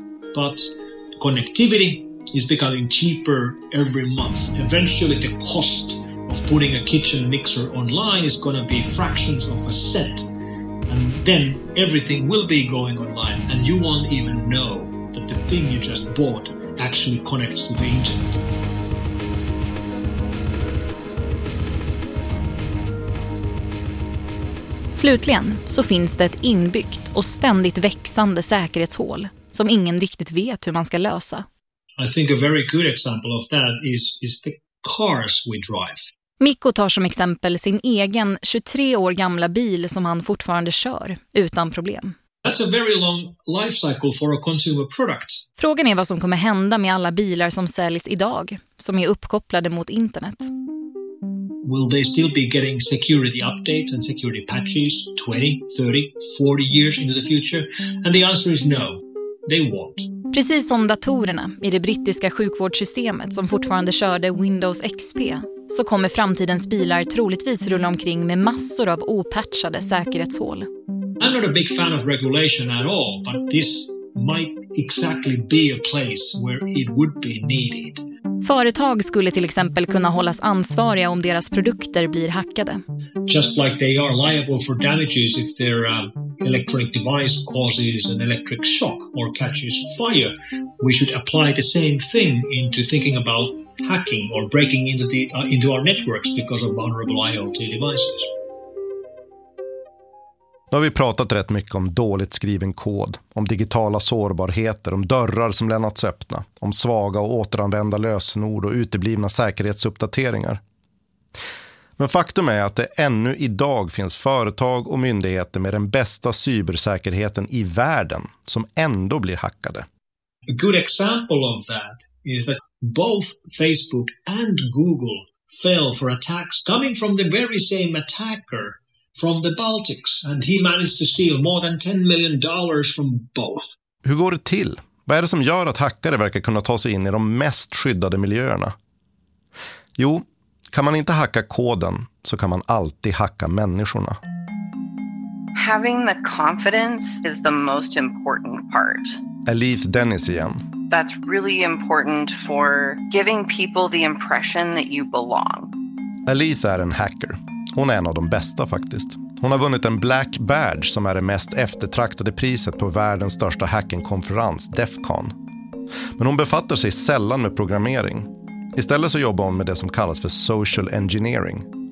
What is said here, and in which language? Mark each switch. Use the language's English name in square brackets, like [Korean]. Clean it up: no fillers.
[English] But connectivity is becoming cheaper every month. Eventually the cost of putting a kitchen mixer online is going to be fractions of a cent. And then everything will be going online and you won't even know that the thing you just bought actually connects to the internet. [Swedish] Slutligen så finns det ett inbyggt och ständigt växande säkerhetshål som ingen riktigt vet hur man ska lösa. [English] I think a very good example of that is the cars we drive. [Swedish] Mikko tar som exempel sin egen 23 år gamla bil som han fortfarande kör utan problem. [English] That's a very long life cycle for a consumer product. [Swedish] Frågan är vad som kommer hända med alla bilar som säljs idag som är uppkopplade mot internet. [English] Will they still be getting security updates and security patches 20, 30, 40 years into the future? And the answer is no. They won't. [Swedish] Precis som datorerna i det brittiska sjukvårdssystemet som fortfarande körde Windows XP, så kommer framtidens bilar troligtvis rulla omkring med massor av opatchade säkerhetshål. [English] I'm not a big fan of regulation at all, but this might exactly be a place where it would be needed. [Swedish] Företag skulle till exempel kunna hållas ansvariga om deras produkter blir hackade. [English] Just like they are liable for damages if their electronic device causes an electric shock or catches fire, we should apply the same thing into thinking about hacking or breaking into our networks because of vulnerable IoT devices. [Swedish] Nu har vi pratat rätt mycket om dåligt skriven kod, om digitala sårbarheter, om dörrar som lämnats öppna, om svaga och återanvända lösenord och uteblivna säkerhetsuppdateringar. Men faktum är att det ännu idag finns företag och myndigheter med den bästa cybersäkerheten i världen som ändå blir hackade. [English] A good example of that is that both Facebook and Google fell for attacks coming from the very same attacker from the Baltics, and he managed to steal more than $10 million from both. [Swedish] Hur går det till? Vad är det som gör att hackare verkar kunna ta sig in i de mest skyddade miljöerna? Jo, kan man inte hacka koden så kan man alltid hacka människorna. [English] Having the confidence is the most important part. [Swedish] Elif Dennis igen. [English] That's really important for giving people the impression that you belong. [Swedish] Elif är en hacker. Hon är en av de bästa faktiskt. Hon har vunnit en Black Badge som är det mest eftertraktade priset på världens största hackingkonferens, DEFCON. Men hon befattar sig sällan med programmering. Istället så jobbar hon med det som kallas för social engineering.